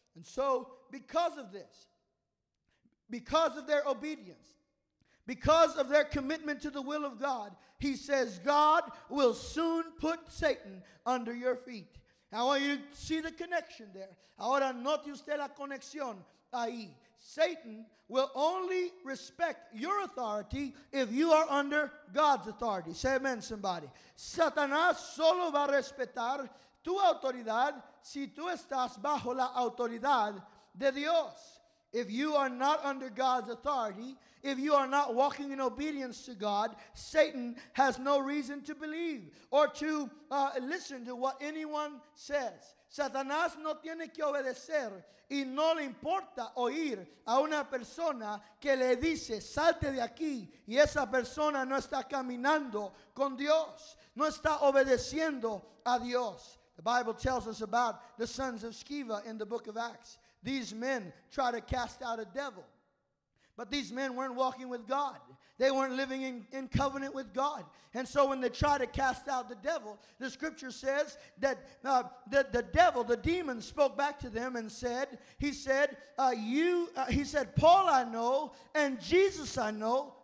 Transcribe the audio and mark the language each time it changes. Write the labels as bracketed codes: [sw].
[en] And so, because of this, because of their obedience, because of their commitment to the will of God, he says, God will soon put Satan under your feet. Now, I want you to see the connection there. [es] Ahora, note usted la conexión ahí. [en] Satan will only respect your authority if you are under God's authority. Say amen, somebody. [es] Satanás solo va a respetar tu autoridad si tú estás bajo la autoridad de Dios. [en] If you are not under God's authority, if you are not walking in obedience to God, Satan has no reason to believe or to listen to what anyone says. [es] Satanás no tiene que obedecer y no le importa oír a una persona que le dice, salte de aquí, y esa persona no está caminando con Dios, no está obedeciendo a Dios. [en] The Bible tells us about the sons of Sceva in the book of Acts. These men try to cast out a devil. But these men weren't walking with God. They weren't living in covenant with God. And so when they try to cast out the devil, the scripture says that the demon spoke back to them and said, he said, Paul I know and Jesus I know.